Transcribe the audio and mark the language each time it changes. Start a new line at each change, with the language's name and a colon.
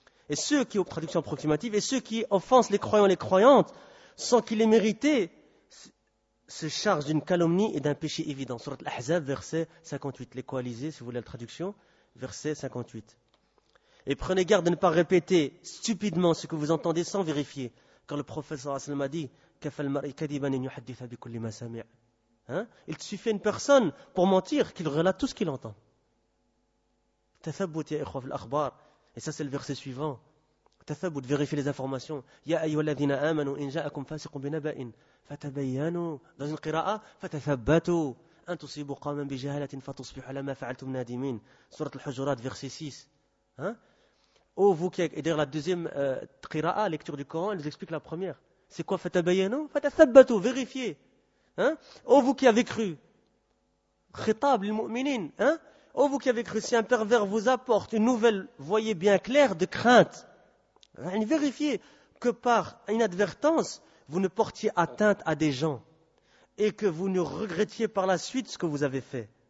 French: Et ceux qui, aux traductions approximatives, et ceux qui offensent les croyants et les croyantes sans qu'ils aient mérité, se chargent d'une calomnie et d'un péché évident. Sourate Al-Ahzab, verset 58. Les coalisés, si vous voulez la traduction, verset 58. Et prenez garde de ne pas répéter stupidement ce que vous entendez sans vérifier. Car le prophète sallam a dit
Arabic: كَفَ الْمَرْءِ كَدِبًا إِنْ يُحَدِّثَ بِكُلِّ مَا سَمِعَ.
French: Hein? Il suffit à une personne pour mentir qu'il relate tout ce qu'il entend.
Arabic: تَثَبُّتْ يَا إِخْوَةَ الْأَخْبَارِ.
French: Et ça, c'est le verset suivant.
Arabic: تَثَبُّتْ,
French: vérifiez les informations.
Arabic: يَا أَيُّهَا الَّذِينَ آمَنُوا إِنْ جَاءَكُمْ فَاسِقٌ بِنَبَإٍ فَتَبَيَّنُوا.
French: Dans une qira'a,
Arabic: فَتَثَبَّتُوا أَنْ تُصِيبُوا قَوْمًا بِجَهَالَةٍ فَتُصْبِحُوا عَلَى مَا فَعَلْتُمْ نَادِمِينَ.
French: Sourate Al-Hujurat, verset 6. Hein? Ô vous qui êtes. Et d'ailleurs, la deuxième qira'a, lecture du Coran, elle nous explique la première. C'est quoi
Arabic: فَتَبَيَّنُوا فَتَثَبَّتُوا,
French: vérifiez. Hein? Ô vous qui avez cru, khitab lil-mu'minin, hein? Ô vous qui avez cru, si un pervers vous apporte une nouvelle, voyez bien clair, de crainte, vérifiez que par inadvertance, vous ne portiez atteinte à des gens et que vous ne regrettiez par la suite ce que vous avez fait.